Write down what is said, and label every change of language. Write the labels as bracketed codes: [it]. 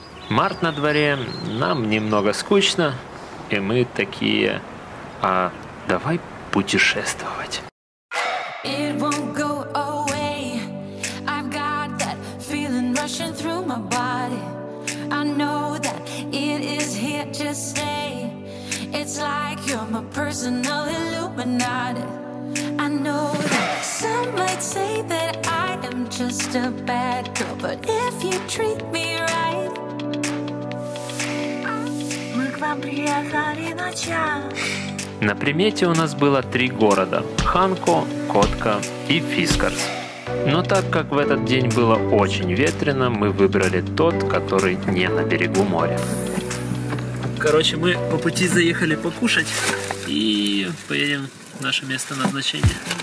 [ru] март на дворе, нам немного скучно, и мы такие, а давай путешествовать. [en] It won't go away. I've got that feeling rushing through my body. I know that it is here to stay. It's like you're my personal Illuminati. I know that some might say that I am just a bad girl, but if you treat me right. [ru] Мы к вам приехали ночам. На примете у нас было три города – Ханко, Котка и Фискарс. Но так как в этот день было очень ветрено, мы выбрали тот, который не на берегу моря. Короче, мы по пути заехали покушать и поедем в наше место назначения.